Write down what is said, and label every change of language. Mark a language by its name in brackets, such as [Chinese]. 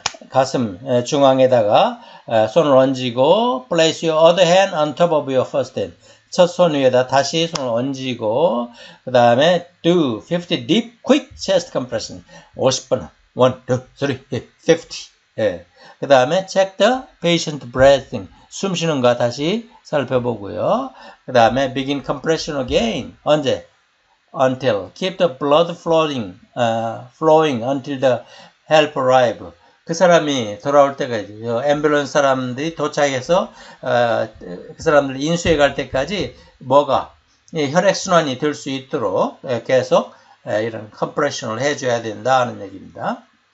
[Korean] 가슴 중앙에다가 손을 얹고. [English] Place your other hand on top of your first hand. [Korean] 첫손 위에다 다시 손을 얹고. 그 다음에 [English] do 50 deep quick chest compression. [Korean] 50번. [English] 1, 2, 3, 50. [Korean] 그 다음에 [English] check the patient breathing. [Korean] 숨 쉬는가 다시 살펴보고요. 그 다음에 [English] begin compression again. [Korean] 언제? [English] Until. Keep the blood flowing until the help arrive. [Korean] 그 사람이 돌아올 때까지, 앰뷸런스 사람들이 도착해서 그 사람들 인수해 갈 때까지 뭐가 혈액순환이 될수 있도록 계속 이런 컴프레션을 해줘야 된다는 얘기입니다.